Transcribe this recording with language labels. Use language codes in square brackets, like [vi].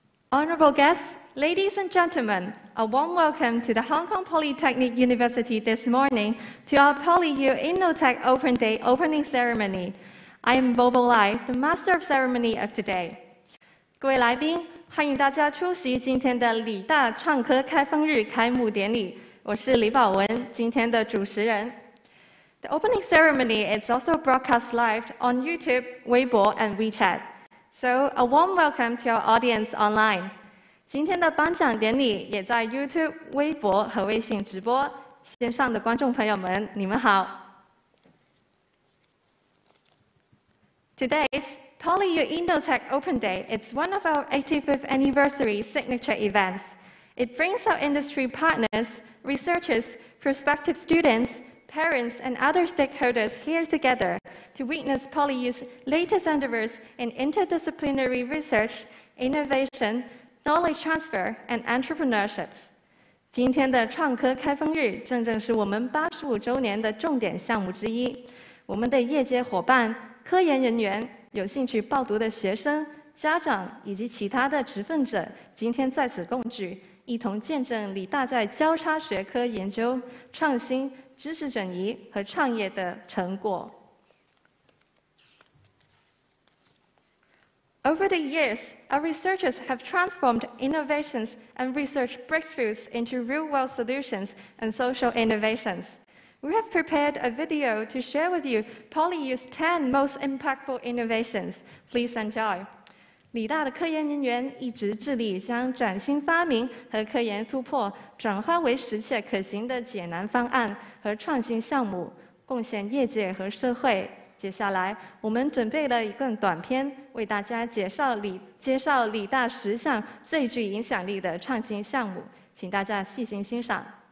[en] Honorable guests, ladies and gentlemen, a warm welcome to the Hong Kong Polytechnic University this morning to our PolyU InnoTech Open Day opening ceremony. I am Bobo Lai, the Master of Ceremony of today. [zh] 各位来宾，欢迎大家出席今天的理大创科开放日开幕典礼。我是李宝文，今天的主持人。 [en] The opening ceremony is also broadcast live on YouTube, Weibo, and WeChat. So a warm welcome to our audience online. [zh] 今天的颁奖典礼也在 YouTube、微博和微信直播。线上的观众朋友们，你们好。 [en] Today's PolyU InnoTech Open Day is one of our 85th anniversary signature events. It brings our industry partners, researchers, prospective students, parents, and other stakeholders here together to witness PolyU's latest endeavors in interdisciplinary research, innovation,Knowledge transfer and entrepreneurships. [zh] 今天的创科开放日正正是我们85周年的重点项目之一。我们的业界伙伴、科研人员、有兴趣报读的学生、家长以及其他的持份者，今天在此共聚，一同见证理大在交叉学科研究、创新、知识转移和创业的成果。 [en] Over the years, our researchers have transformed innovations and research breakthroughs into real-world solutions and social innovations. We have prepared a video to share with you PolyU's 10 most impactful innovations. Please enjoy. [zh] 理大的科研人员一直致力将崭新发明和科研突破转化为实切可行的解难方案和创新项目，贡献业界和社会。接下来，我们准备了一个短片，为大家介绍理大十项最具影响力的创新项目，请大家细心欣赏。